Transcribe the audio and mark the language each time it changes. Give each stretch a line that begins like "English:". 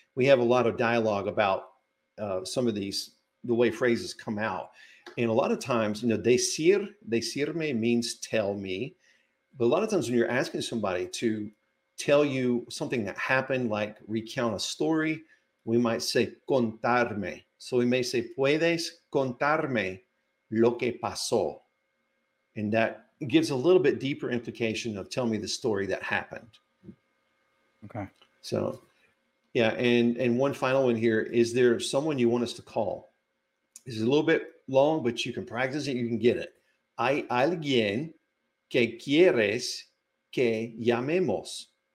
English: We have a lot of dialogue about some of these, the way phrases come out. And a lot of times, you know, decirme means tell me. But a lot of times when you're asking somebody to tell you something that happened, like recount a story, we might say contarme. So we may say,
Spanish: ¿puedes contarme lo que pasó?
English: And that gives a little bit deeper implication of tell me the story that happened. Okay. So, yeah. And one final one here, is there someone you want us to call? This is a little bit long, but you can practice it. You can get it.
Spanish: ¿Hay alguien que quieres que llamemos?